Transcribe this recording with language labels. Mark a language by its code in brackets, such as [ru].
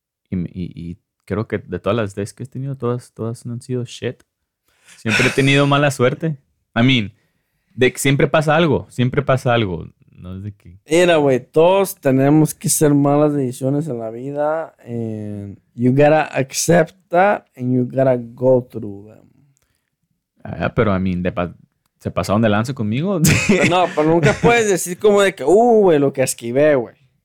[es] Y creo que de todas las dates que he tenido, todas no han sido shit. Siempre he tenido mala suerte. I mean, de que siempre pasa algo. No es de que... Mira, güey, todos tenemos que ser malas decisiones en la vida. [en] And you gotta accept that and you gotta go through them. [es] Pero, I mean, ¿se pasaron de lance conmigo? No, pero nunca puedes decir como de que, güey, lo que esquivé, güey.